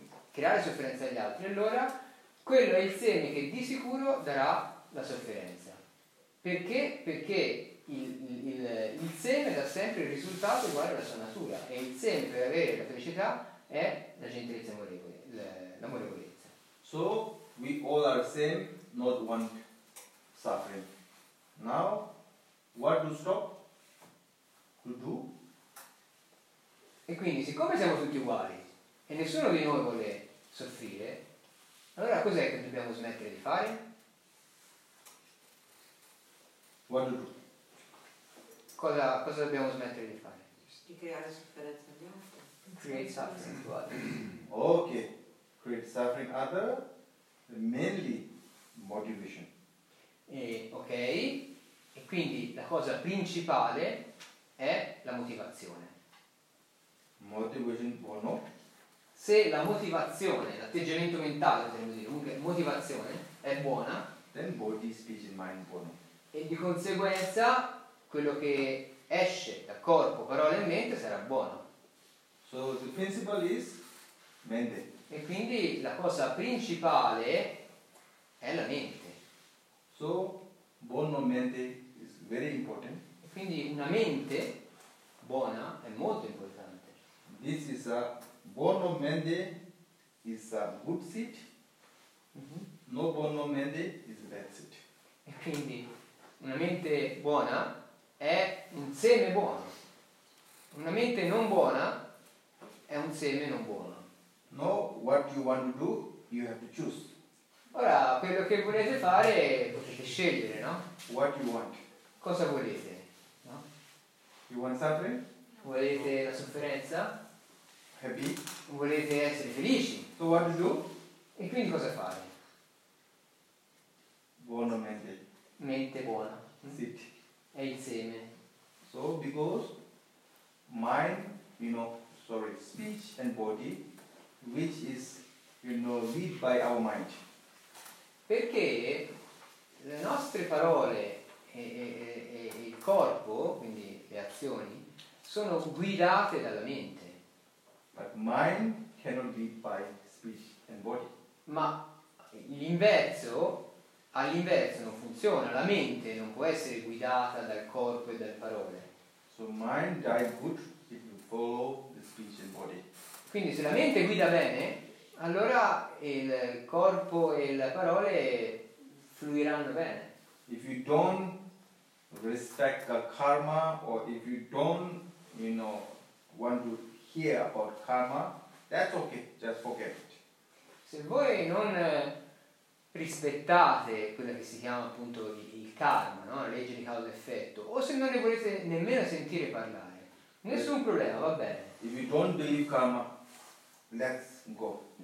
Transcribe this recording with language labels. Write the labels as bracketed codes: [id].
[it] Creare sofferenza agli altri, allora quello è il seme che di sicuro darà la sofferenza. Perché? Perché il seme dà sempre il risultato uguale alla sua natura, e il seme per avere la felicità è la gentilezza amorevole, l'amorevolezza. [en] So we all are same, not one suffering. Now what to stop to do? [it] E quindi, siccome siamo tutti uguali e nessuno di noi vuole soffrire, allora cos'è che dobbiamo smettere di fare? [en] What to do? [it] Cosa dobbiamo smettere di fare? Di creare sofferenza agli altri. [en] Create suffering to others. Ok. Create suffering other, mainly motivation. Ok. [it] E quindi la cosa principale è la motivazione. [en] Motivation or not? [it] Se la motivazione, l'atteggiamento mentale, potremmo dire, comunque motivazione, è buona, [en] then body, speech and mind [it] buono. E di conseguenza quello che esce da corpo, parola e mente sarà buono. [en] So the principle is [it] mente. E quindi la cosa principale è la mente. [en] So [it] buono mente [en] is very important. [it] E quindi una mente buona è molto importante. [en] This is a [it] buono mente [en] is a good seed. No [it] buono mente [en] is bad seed. [it] E quindi una mente buona è un seme buono. Una mente non buona è un seme non buono. [en] No, what you want to do, you have to choose. [it] Ora, quello che volete fare potete scegliere, no? [en] What you want. [it] Cosa volete? No? [en] You want suffering? [it] Volete la sofferenza? [en] Happy? [it] Volete essere felici? [en] So what to do? [it] E quindi cosa fare? Buono mente. Mente buona. Sì. È il seme. [en] So because mind, you know, sorry, speech and body, which is, you know, lead by our mind. [it] Perché le nostre parole e il corpo, quindi le azioni, sono guidate dalla mente. [en] But mind cannot lead by speech and body. [it] Ma l'inverso. All'inverso non funziona, la mente non può essere guidata dal corpo e dalle parole. [en] So mind guides good if you follow the speech and body. [it] Quindi se la mente guida bene, allora il corpo e le parole fluiranno bene. [en] If you don't respect the karma, or if you don't, you know, want to hear about karma, that's okay, just forget it. [it] Se voi non rispettate quella che si chiama appunto il karma, no? La legge di causa e effetto, o se non ne volete nemmeno sentire parlare, Nessun problema, va bene. [en] If you don't believe karma, let's go.